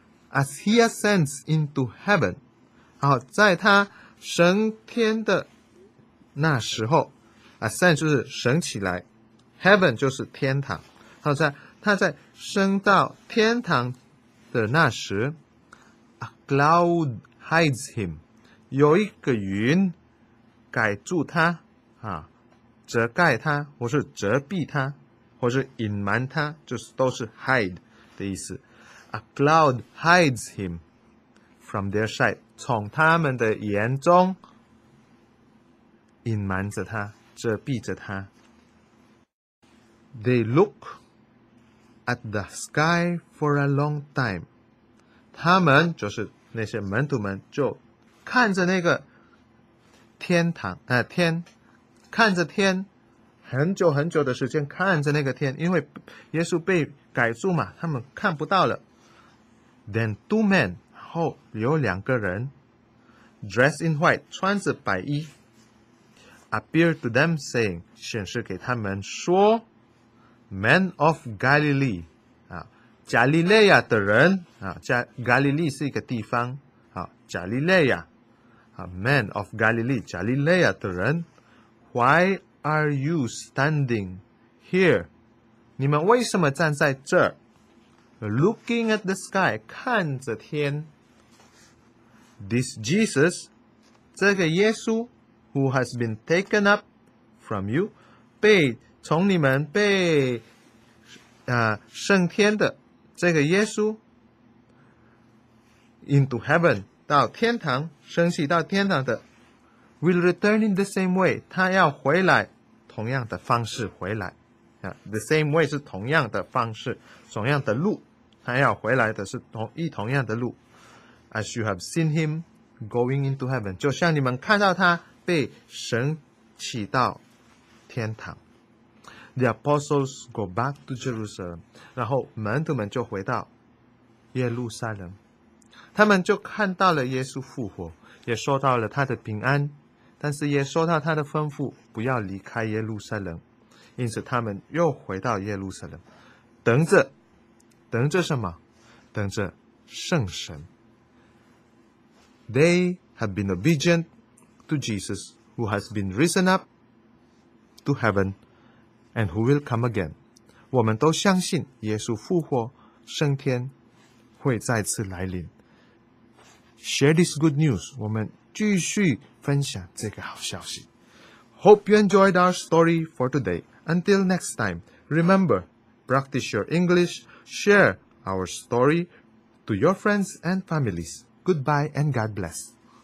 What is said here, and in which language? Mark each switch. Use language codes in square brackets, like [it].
[en] As he ascends into heaven, [zh] 好，在他升天的那时候， ascend 就是升起来， heaven 就是天堂，他在升到天堂的那时， [en] A cloud hides him, [zh] 有一个云盖住他啊，遮盖他，或是遮蔽他，或是隐瞒他，就是都是 hide 的意思。 [en] A cloud hides him from their sight, [zh] 从他们的眼中隐瞒着他，遮蔽着他。 [en] They lookAt the sky for a long time, [zh] 他们就是那些门徒们就看着那个天堂啊、天，看着天很久很久的时间，看着那个天，因为耶稣被改住嘛，他们看不到了。 [en] Then two men, [zh] 后有两个人 [en] dressed in white, [zh] 穿着白衣 [en] appeared to them, saying, [zh] 显示给他们说。 [en] Men of Galilee, [zh] 啊，加利利亚的人啊，加加利利是一个地方啊，加利利亚啊 [en] ，Men of Galilee, [zh] 加利利亚的人 [en] ，Why are you standing here? [zh] 你们为什么站在这儿 ？ [en] Looking at the sky, [zh] 看着天。 [en] This Jesus, [zh] 这个耶稣 ， [en] who has been taken up from you, [zh] 被从你们被升天的这个耶稣 into heaven 到天堂，升起到天堂的 [en] will return in the same way, [zh] 他要回来同样的方式回来、the same way 是同样的方式，同样的路，他要回来的是同样的路。 [en] As you have seen him going into heaven, [zh] 就像你们看到他被升起到天堂。 [en] The apostles go back to Jerusalem. [zh] 然后门徒们就回到耶路撒冷。他们就看到了耶稣复活，也收到了他的平安，但是也收到他的吩咐，不要离开耶路撒冷。因此他们又回到耶路撒冷，等着什么？等着圣神。 [en] They have been obedient to Jesus, who has been risen up to heaven. And who will come again? [zh] 我们都相信耶稣复活升天会再次来临。 [en] Share this good news. [zh] 我们继续分享这个好消息。 [en] Hope you enjoyed our story for today. Until next time, remember, practice your English. Share our story to your friends and families. Goodbye and God bless.